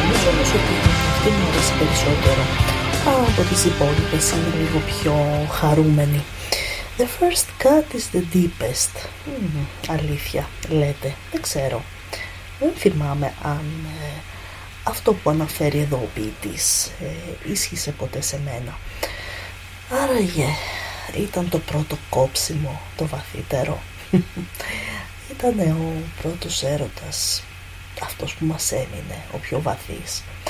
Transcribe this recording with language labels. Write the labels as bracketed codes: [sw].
[el] όμως ότι αυτή μου αρέσει περισσότερο από τις υπόλοιπες, είναι λίγο πιο χαρούμενη. [en] The first cut is the deepest. [el] Αλήθεια, λέτε, δεν ξέρω. Δεν θυμάμαι αν αυτό που αναφέρει εδώ ο ποιητής ίσχυσε ποτέ σε μένα. Άραγε, ήταν το πρώτο κόψιμο, το βαθύτερο. Ήταν ο πρώτος έρωτας, αυτός που μας έμεινε, ο πιο βαθύς.